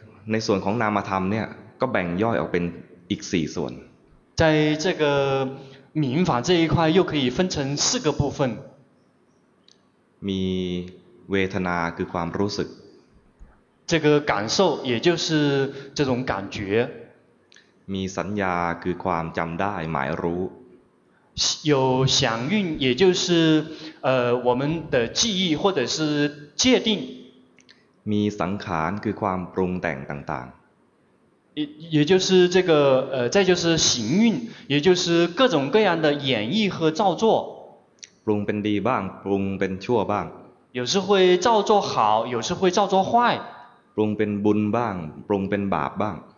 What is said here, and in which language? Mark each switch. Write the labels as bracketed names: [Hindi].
[Thai] ในส่วนของนามธรรมเนี่ยก็แบ่งย่อยออกเป็นอีก4ส่วน [Chinese] 在这个民法这一块又可以分成4个部分 [Thai] มีเวทนาคือความรู้สึก [Chinese] 这个感受也就是这种感觉 [Thai] มีสัญญาคือความจำได้หมายรู้ [Chinese] 有想蕴也就是我们的记忆或者是界定 [Thai] มีสังขารคือความปรุงแต่งต่าง [Chinese] ๆ也就是这个再就是行运也就是各种各样的演绎和造作 [Thai] ปรุงเป็นดีบ้างปรุงเป็นชั่วบ้าง [Chinese] 有时会造作好有时会造作坏 [Thai] ปรุงเป็นบุญบ้างปรุงเป็นบาปบ้าง